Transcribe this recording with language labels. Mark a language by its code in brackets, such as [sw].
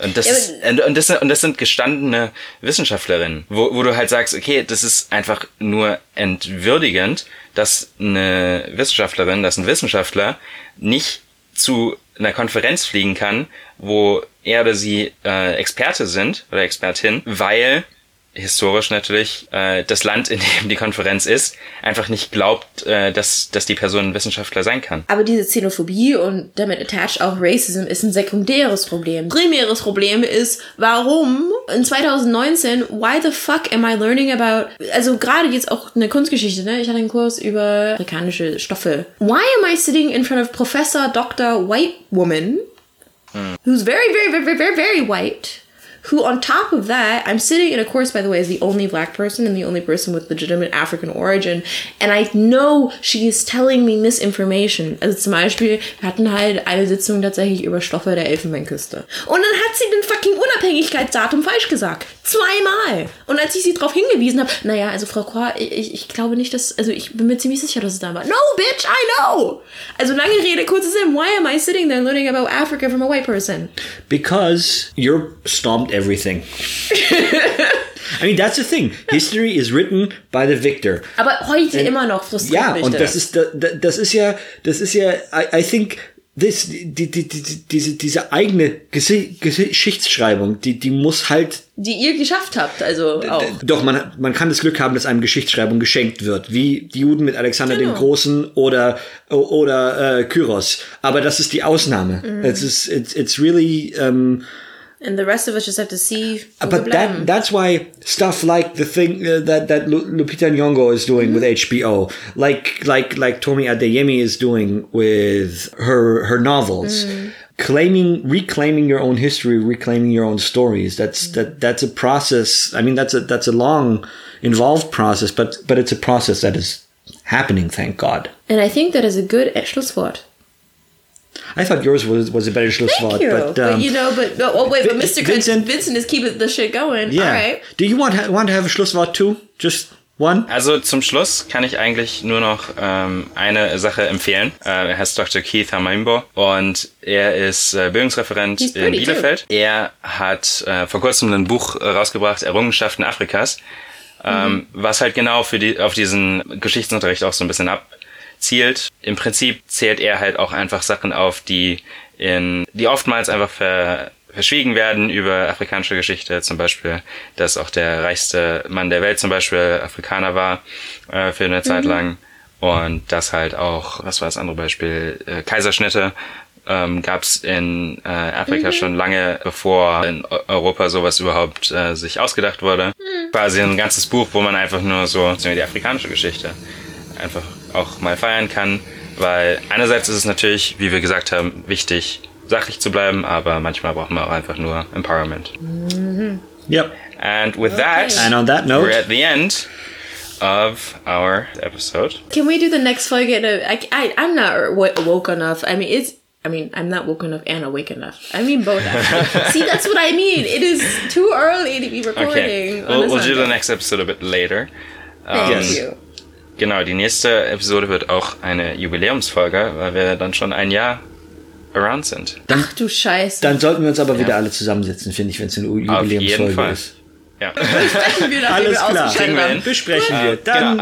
[de] Und das sind gestandene Wissenschaftlerinnen, wo du halt sagst, okay, das ist einfach nur entwürdigend, dass eine Wissenschaftlerin, dass ein Wissenschaftler nicht zu einer Konferenz fliegen kann, wo er oder sie Experte sind oder Expertin, weil historisch natürlich das Land, in dem die Konferenz ist, einfach nicht glaubt, dass die Person ein Wissenschaftler sein kann. Aber diese Xenophobie und damit attached auch Racism ist ein sekundäres Problem. Primäres Problem ist, warum in 2019, [en] why the fuck am I learning about, [de] also gerade jetzt auch eine Kunstgeschichte, ne? Ich hatte einen Kurs über afrikanische Stoffe. [en] Why am I sitting in front of Professor Dr. White Woman, who's very, very, very, very, very, very white, who on top of that, I'm sitting in a course, by the way, as the only black person and the only person with legitimate African origin, and I know she is telling me misinformation. [de] Also zum Beispiel, wir hatten halt eine Sitzung tatsächlich über Stoffe der Elfenbeinküste. Und dann hat sie den fucking Unabhängigkeitsdatum falsch gesagt. Zweimal. Und als ich sie darauf hingewiesen habe, naja, also Frau Kwa, ich glaube nicht, dass, also ich bin mir ziemlich sicher, dass es da war. [en] No, bitch, I know! [de] Also lange Rede, kurzer Sinn, [en] why am I sitting there learning about Africa from a white person? Because you're stomped everything. I mean, that's the thing. History is written by the victor. [de] Aber heute [en] and, [de] immer noch frustriert yeah, mich und das. Das ist ja, [en] I think... [de] Diese eigene Geschichtsschreibung, die muss halt... Die ihr geschafft habt, also auch. Doch, man kann das Glück haben, dass einem Geschichtsschreibung geschenkt wird, wie die Juden mit Alexander genau. dem Großen oder Kyros. Aber das ist die Ausnahme. [en] Mhm. It's really... And the rest of us just have to see... But that's why stuff like the thing that Lupita Nyong'o is doing mm-hmm. with HBO, like Tomi Adeyemi is doing with her novels, mm-hmm. reclaiming your own history, reclaiming your own stories, that's a process. I mean, that's a long, involved process, but it's a process that is happening, thank God. And I think that is a good Schlusswort. I thought yours was a better Schlusswort. Thank you. But Mr. Vincent is keeping the shit going. Yeah. All right. Do you want to have a Schlusswort too? Just one? [de] Also zum Schluss kann ich eigentlich nur noch eine Sache empfehlen. Er heißt Dr. Keith Hamaimbo und er ist Bildungsreferent in Bielefeld. Too. Er hat vor kurzem ein Buch rausgebracht, Errungenschaften Afrikas, was halt genau auf diesen Geschichtsunterricht auch so ein bisschen abzielt. Im Prinzip zählt er halt auch einfach Sachen auf, die oftmals einfach verschwiegen werden über afrikanische Geschichte, zum Beispiel, dass auch der reichste Mann der Welt zum Beispiel Afrikaner war für eine Zeit lang und das halt auch, was war das andere Beispiel, Kaiserschnitte gab es in Afrika schon lange, bevor in Europa sowas überhaupt sich ausgedacht wurde. Quasi ein ganzes Buch, wo man einfach nur so die afrikanische Geschichte einfach auch mal feiern kann, weil einerseits ist es natürlich, wie wir gesagt haben, wichtig, sachlich zu bleiben, aber manchmal brauchen wir auch einfach nur Empowerment. Mm-hmm. Yep. [en] And with that, and on that note, we're at the end of our episode. Can we do the next Folge? I'm not woke enough. I'm not woke enough and awake enough. I mean both. See, that's what I mean. It is too early to be recording. Okay. We'll do the next episode a bit later. Thank you. [de] Genau, die nächste Episode wird auch eine Jubiläumsfolge, weil wir dann schon ein Jahr around sind. Ach du Scheiße. Dann sollten wir uns aber wieder alle zusammensetzen, finde ich, wenn es eine Jubiläumsfolge ist. Ja. Alles klar. Besprechen wir. Dann genau.